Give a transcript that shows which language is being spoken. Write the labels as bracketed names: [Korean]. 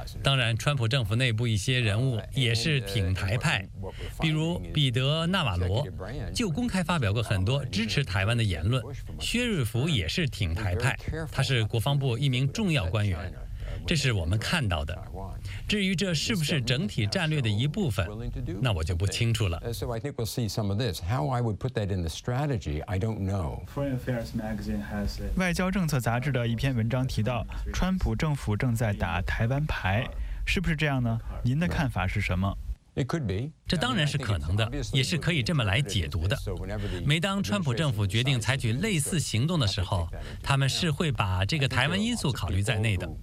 [Chinese] 当然，川普政府内部一些人物也是挺台派，比如彼得·纳瓦罗就公开发表过很多支持台湾的言论。薛瑞福也是挺台派，他是国防部一名重要官员，这是我们看到的。至于这是不是整体战略的一部分，那我就不清楚了。 [English] So I think we'll see some of this. How I would put that in the strategy, I don't know. Foreign Affairs Magazine has a [Chinese] 外交政策杂志的一篇文章提到，川普政府正在打台湾牌，是不是这样呢？您的看法是什么？这当然是可能的，也是可以这么来解读的。每当川普政府决定采取类似行动的时候，他们是会把这个台湾因素考虑在内的。